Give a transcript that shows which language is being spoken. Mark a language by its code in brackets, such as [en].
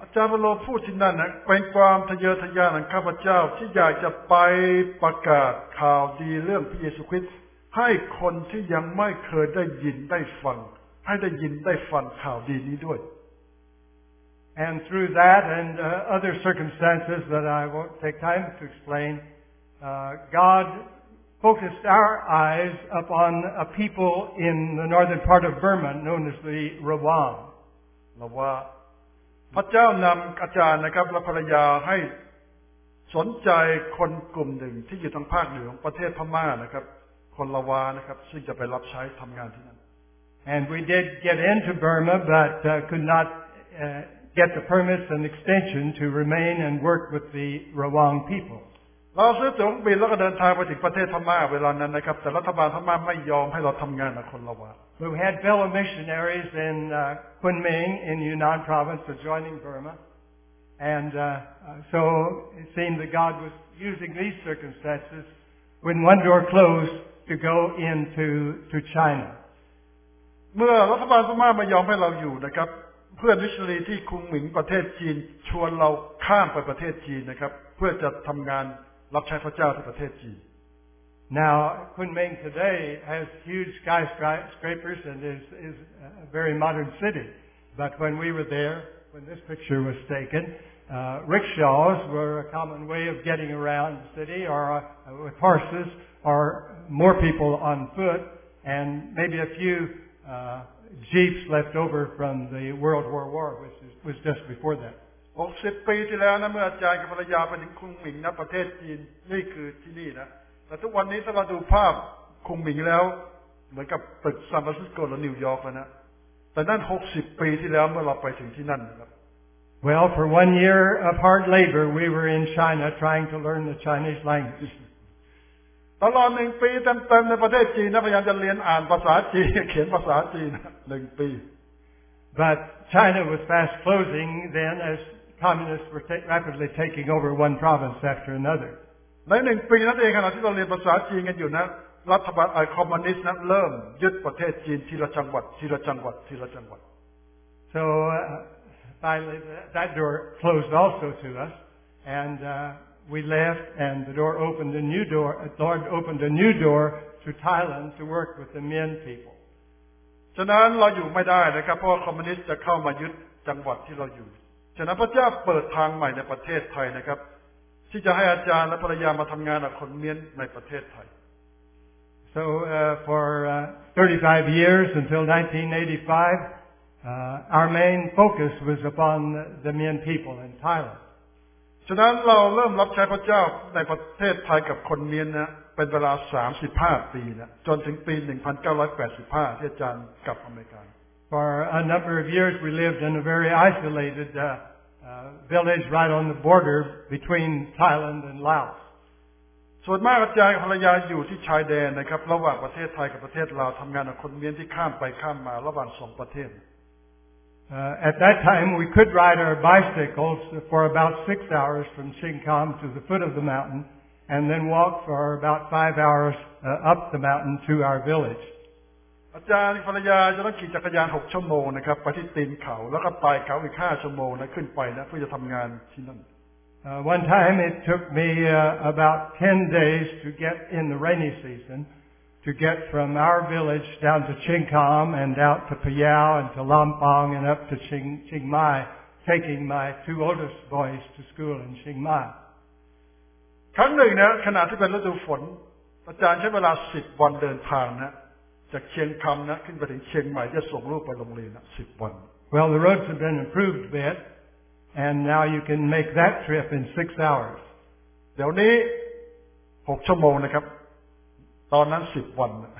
[th] อาจารย์เปาโลพูดที่นั่นนะเป็นความทะเยอทะยานของข้าพเจ้าที่อยากจะไปประกาศข่าวดีเรื่องพระเยซูคริสต์ให้คนที่ยังไม่เคยได้ยินได้ฟังให้ได้ยินได้ฟังข่าวดีนี้ด้วย [en] And through that and other circumstances that I won't take time to explain, God focused our eyes upon a people in the northern part of Burma known as the Rawang. Rawa. [th] พระเจ้านำอาจารย์นะครับและภรรยาให้สนใจคนกลุ่มหนึ่งที่อยู่ทางภาคเหนือของประเทศพม่านะครับคนละวานะครับซึ่งจะไปรับใช้ทำงานที่นั่น [en] And we did get into Burma but could not get the permits and extension to remain and work with the Rawang people [th] เราซื้อตั๋วบินแล้วก็เดินทางไปถึงประเทศพม่าเวลานั้นนะครับแต่รัฐบาลพม่าไม่ยอมให้เราทำงานกับคนละวา [en] We had fellow missionaries in Kunming in Yunnan province adjoining Burma. And so it seemed that God was using these circumstances when one door closed to go into to China. [th] เมื่อรัฐบาลพม่าไม่ยอมให้เราอยู่นะครับเพื่อนมิชชันนารีที่คุนหมิงประเทศจีนชวนเราข้ามไปประเทศจีนนะครับเพื่อจะทำงานรับใช้พระเจ้าที่ประเทศจีน [en] Now, Kunming today has huge skyscrapers and is a very modern city. But when we were there, when this picture was taken, rickshaws were a common way of getting around the city or with horses or more people on foot and maybe a few jeeps left over from the World War War, which was just before that. [th] 60 ปีที่แล้วนะเมื่ออาจารย์กับภรรยาไปถึงคุนหมิงนะประเทศจีนนี่คือที่นี่นะแต่ทุกวันนี้ถ้าเราดูภาพคุงหมิงแล้วเหมือนกับตึกซานฟรานซิสโกและนิวยอร์กแล้วนะแต่นั่น60ปีที่แล้วเมื่อเราไปถึงที่นั่นนะครับ [en] Well for 1 year of hard labor we were in China trying to learn the Chinese language [th] ตลอด1ปีเต็มๆในประเทศจีนนะพยายามจะเรียนอ่านภาษาจีนเขียนภาษาจีน1ปี [en] But China was fast closing then as communists were rapidly taking over one province after another [th] ในหนึ่งปีนั่นเองขณะที่เราเรียนภาษาจีนกันอยู่นะรัฐบาลไอคอมมิวนิสต์นั้นเริ่มยึดประเทศจีนทีละจังหวัดทีละจังหวัดทีละจังหวัด [en] so finally that door closed also to us and we left and the door opened a new door the Lord opened a new door to Thailand to work with the Mien people [th] ฉะนั้นเราอยู่ไม่ได้นะครับเพราะคอมมิวนิสต์จะเข้ามายึดจังหวัดที่เราอยู่ฉะนั้นพระเจ้าเปิดทางใหม่ในประเทศไทยนะครับที่จะให้อาจารย์และภรรยามาทำงานกับคนเมียนในประเทศไทย [en] So for 35 years until 1985 Our main focus was upon the Mien people in Thailand. [th] ฉะนั้นเราเริ่มรับใช้พระเจ้าในประเทศไทยกับคนเมียนนะเป็นเวลา35ปีนะจนถึงปี1985ที่อาจารย์กลับอเมริกา [en] For a number of years we lived in a very isolated village right on the border between Thailand and Laos. [th] ส่วนมากอาจารย์ภรรยาอยู่ที่ชายแดนนะครับระหว่างประเทศไทยกับประเทศลาวทำงานกับคนเมียนที่ข้ามไปข้ามมาระหว่างสองประเทศ [en] At that time, we could ride our bicycles for about 6 hours from Sing Kham to the foot of the mountain, and then walk for about 5 hours up the mountain to our village. [th] อาจารย์ภรรยาจะต้องขี่จักรยาน6ชั่วโมงนะครับไปที่ตีนเขาแล้วก็ไต่เขาอีก5ชั่วโมงแล้วขึ้นไปนะเพื่อจะทำงานที่นั่น [en] One time, it took me about 10 days to get in the rainy season. To get from our village down to Chiang Kham and out to Piao and to Lampong and up to Chiang Mai, taking my two oldest boys to school in Chiang Mai. [th] ครั้งหนึ่งนะขณะที่เป็นฤดูฝนอาจารย์ใช้เวลา10วันเดินทางนะจากเชียงคำนะขึ้นไปถึงเชียงใหม่จะส่งลูกไปโรงเรียนนะ10วัน [en] Well, the roads have been improved a bit, and now you can make that trip in 6 hours. [th] เดี๋ยวนี้6ชั่วโมงนะครับตอนนั้น10วัน